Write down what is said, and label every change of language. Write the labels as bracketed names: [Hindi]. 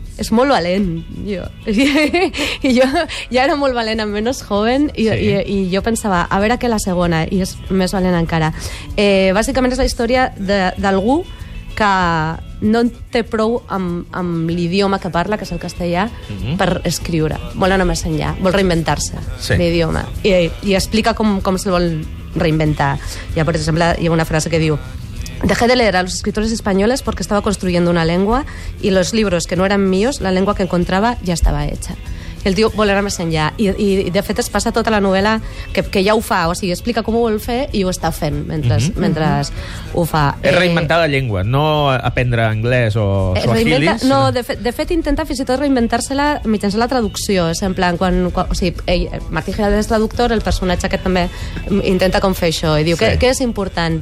[Catalan] És molt valent, jo. I jo ja era molt valent amb Menos Joven i jo pensava, a veure què la segona, i és més valent encara. Bàsicament és la història d'algú que no en té prou amb l'idioma que parla, que és el castellà, mm-hmm. per escriure. Vol anar més enllà, vol reinventar-se l'idioma. I explica com se'l vol reinventar. Ja, per exemple, hi ha una frase que diu: [Spanish] dejé de leer a los escritores españoles porque estaba construyendo una lengua y los libros que no eran míos, la lengua que encontraba ya estaba hecha. [Catalan] El tio vol anar més enllà i de fet es passa tota la novel·la que ja ho fa, o sigui, explica com ho vol fer i ho està fent mentre ho fa. És reinventar la llengua, no aprendre anglès o suahili. No, de fet intenta fins i tot reinventar-se-la mitjançant la traducció, és en plan quan, o sigui, ell, Martí Giraldez és traductor, el personatge que també intenta com fer això i diu, sí. Què és important?